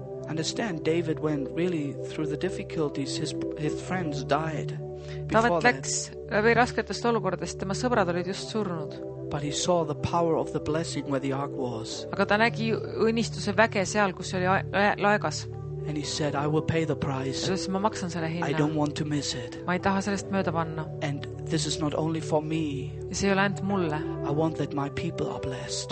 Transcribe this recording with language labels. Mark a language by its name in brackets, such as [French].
[English] Understand, David went really through the difficulties. His friends died before that. [Estonian] Läks läbi rasketest olukordest. Tema sõbrad olid just surnud. [English] But he saw the power of the blessing where the ark was. [Estonian] Aga ta nägi õnnistuse väge seal, kus oli laegas. [English] And he said, I will pay the price. [Estonian] Ja ma maksan selle hinna. [English] I don't want to miss it. [Estonian] Ma ei taha sellest mööda panna. [English] And this is not only for me. [Estonian] See ei ole ainult mulle. [English] I want that my people are blessed.